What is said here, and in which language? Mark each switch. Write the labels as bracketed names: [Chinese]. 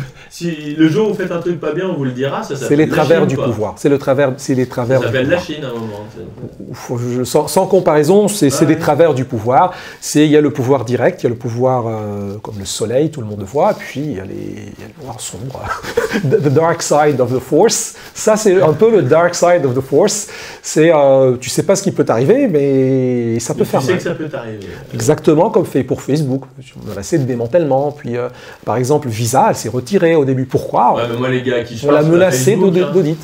[French] Si le jour où vous faites un truc pas bien, on vous le dira. C'est les travers du pouvoir. Ça s'appelle la Chine à un moment. Sans comparaison, c'est des travers du pouvoir. Il y a le pouvoir direct, il y a le pouvoir comme le soleil, tout le monde le voit. Puis il y a le noir sombre. [English] The dark side of the force. [French] Ça, c'est un peu le [English] dark side of the force. [French] C'est tu sais pas ce qui peut t'arriver, mais ça peut faire mal. Tu sais que ça peut t'arriver. Exactement comme fait pour Facebook. On a assez de démantèlement. Puis. Par exemple, Visa, elle s'est retirée au début. Pourquoi? On l'a menacée d'audit.